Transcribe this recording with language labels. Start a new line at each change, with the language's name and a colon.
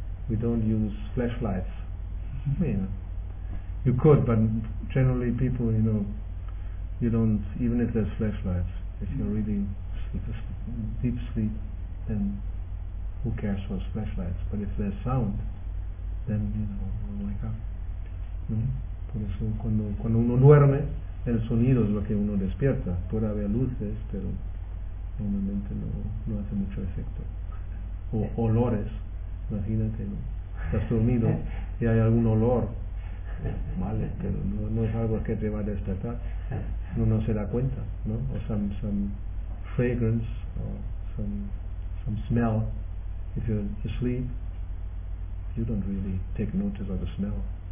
English: We don't use flashlights. Mm-hmm. You know, you could, but generally people, you know, you don't, even if there's flashlights, if you're really deep sleep, then who cares for flashlights? But if there's sound, then, you know, we'll wake up. Mm-hmm.
Spanish: Por eso cuando uno duerme, el sonido es lo que uno despierta. Puede haber luces, pero normalmente no hace mucho efecto. O olores, imagínate, ¿no? Estás dormido y hay algún olor, vale, pero no es algo que te va a despertar. Uno se da cuenta, ¿no?
English: O some fragrance, or some smell, if you're asleep, you don't really take notice of the smell.